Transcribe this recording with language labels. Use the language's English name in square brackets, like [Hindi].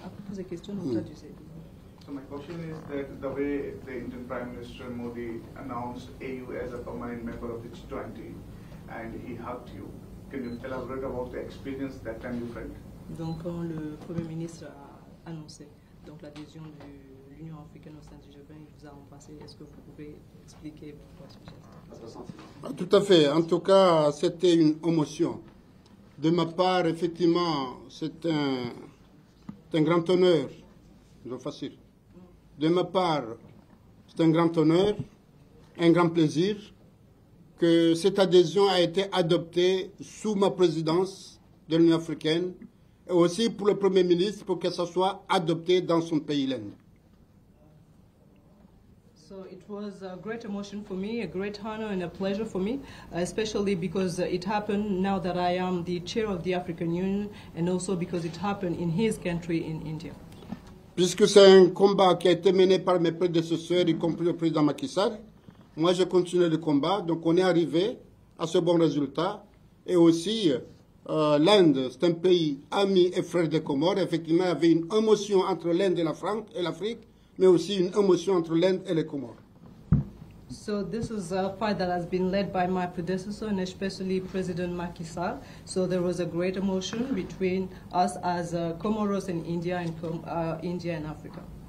[English] So my question is that the way the Indian Prime Minister Modi announced AU as a permanent member of the G20 and he hugged you, can you elaborate about the experience that time you felt? [French] Donc quand le Premier ministre a annoncé donc l'adhésion de l'Union africaine au sein du G20, il vous a embrassé. Est-ce que vous pouvez expliquer pourquoi ce geste? Tout à fait. En tout cas, c'était une émotion. De ma part, effectivement, c'est un grand honneur. De ma part, c'est un grand honneur, un grand plaisir que cette adhésion a été adoptée sous ma présidence de l'Union africaine et aussi pour le Premier ministre pour que ça soit adopté dans son pays l'Inde. [English] So it was a great emotion for me, a great honor and a pleasure for me, especially because it happened now that I am the chair of the African Union and also because it happened in his country, in India. [French] Puisque c'est un combat qui a été mené par mes prédécesseurs, y compris le président Macky Sall, moi j'ai continué le combat, donc on est arrivé à ce bon résultat. Et aussi, l'Inde, c'est un pays ami et frère des Comores, effectivement il y avait une émotion entre l'Inde et la France et l'Afrique, mais aussi une émotion entre l'Inde et les Comores. [English] So this is a fight that has been led by my predecessor and especially President Macky Sall. So there was a great emotion between us as Comoros and India and India and Africa.